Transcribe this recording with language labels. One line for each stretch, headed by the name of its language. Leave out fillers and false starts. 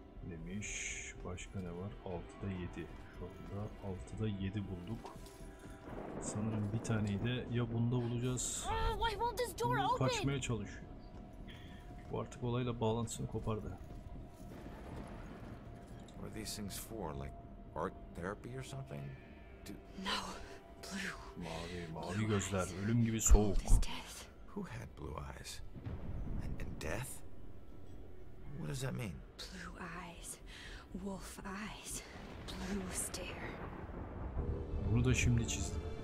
Turkish: Demiş. Başka ne var? 6'da 7. Şu anda 6'da 7 bulduk. Sanırım bir taneyi de ya bunda bulacağız. Kaçmaya çalışıyor. Bu artık olayla bağlantısını kopardı.
English: Are these things for like art therapy or something? No. Blue.
Turkish: Mavi gözler, ölüm gibi soğuk.
English: Who had blue eyes? And death? What does that mean? Blue eyes. Wolf eyes. Blue stare.
Turkish: Bunu da şimdi çizdim.